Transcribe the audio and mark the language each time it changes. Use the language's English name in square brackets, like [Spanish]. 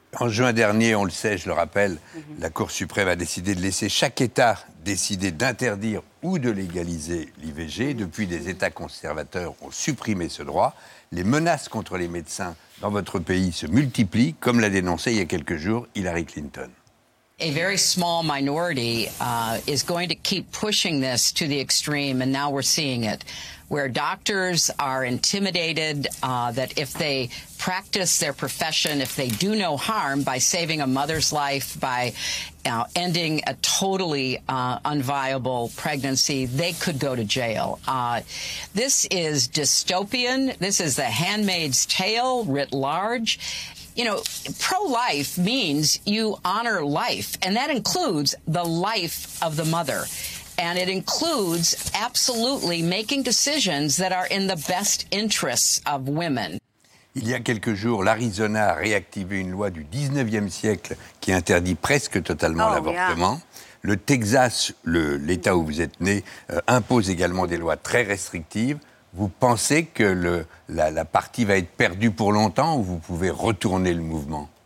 [French] En juin dernier, on le sait, je le rappelle, la Cour suprême a décidé de laisser chaque État décider d'interdire ou de légaliser l'IVG. Depuis, des États conservateurs ont supprimé ce droit. Les menaces contre les médecins dans votre pays se multiplient, comme l'a dénoncé il y a quelques jours Hillary Clinton. [English] A very small minority is going to keep pushing this to the extreme, and now we're seeing it, where doctors are intimidated that if they practice their profession, if they do no harm by saving a mother's life, by ending a totally unviable pregnancy, they could go to jail. This is dystopian. This is the Handmaid's Tale writ large. You know, pro-life means you honor life, and that includes the life of the mother. And it includes absolutely making decisions that are in the best interests of women. [French] Il y a quelques jours, l'Arizona a réactivé une loi du 19e siècle qui interdit presque totalement l'avortement. Yeah. Le Texas, l'État où vous êtes né, impose également des lois très restrictives. Vous pensez que la partie va être perdue pour longtemps ou vous pouvez retourner le mouvement?